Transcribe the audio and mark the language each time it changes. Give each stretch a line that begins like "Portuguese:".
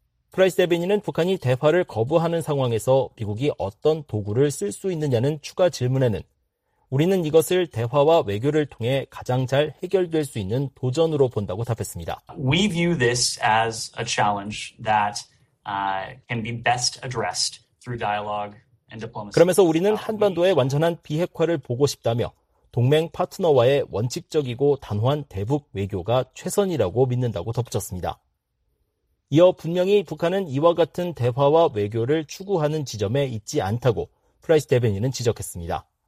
Korean: 프라이스 대변인은 북한이 대화를 거부하는 상황에서 미국이 어떤 도구를 쓸 수 있느냐는 추가 질문에는 우리는 이것을 대화와 외교를 통해 가장 잘 해결될 수 있는 도전으로 본다고 답했습니다.
English: We view this as a challenge that can be best addressed through dialogue and diplomacy.
Korean: 그러면서 우리는 한반도의 완전한 비핵화를 보고 싶다며 동맹 파트너와의 원칙적이고 단호한 대북 외교가 최선이라고 믿는다고 덧붙였습니다. 이어 분명히 북한은 이와 같은 대화와 외교를 추구하는 지점에 있지 않다고 프라이스 대변인은 지적했습니다.